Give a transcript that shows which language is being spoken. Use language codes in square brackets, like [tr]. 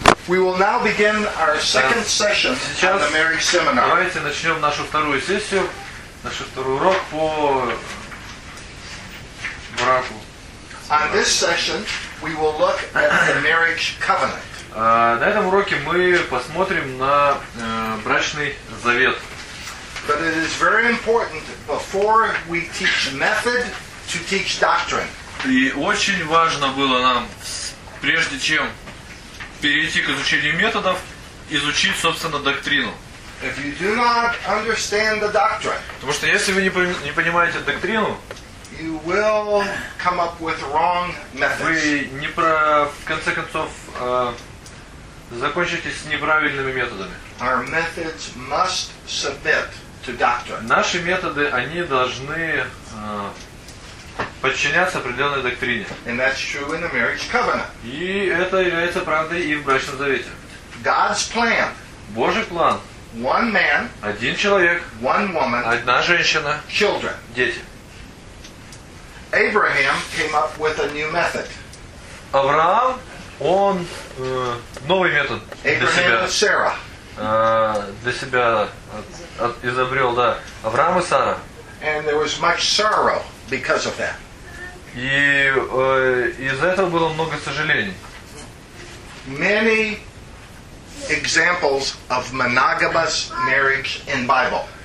[en] We will now begin our second session of the marriage seminar. [ru] Давайте начнем нашу вторую сессию, наш второй урок по браку. [en] On this session, we will look at the marriage covenant. [ru] На этом уроке мы посмотрим на брачный завет. [en] But it is very important before we teach method to teach doctrine. [ru] И очень важно было нам, прежде чем перейти к изучению методов, изучить, собственно, доктрину. [en] If you do not understand the doctrine, [ru] потому что если вы не понимаете доктрину, [en] you will come up with wrong methods. [ru] Вы не в конце концов закончите с неправильными методами. [en] Our methods must submit to doctrine. [ru] Наши методы, они должны подчиняться определенной доктрине. [en] And that's true in the marriage covenant. [ru] И это является правдой и в брачном завете. [en] God's plan. [ru] Божий план. [en] One man. [ru] Один человек. [en] One woman. [ru] Одна женщина. [en] Children. [ru] Дети. [en] Abraham came up with a new method. [ru] Авраам, он новый метод для себя. [en] Abraham and Sarah. [ru] Для себя изобрел, да. Авраам и Сара. [en] And there was much sorrow because of that. [ru] И из-за этого было много сожалений. [en] Many examples of monogamous marriage in Bible.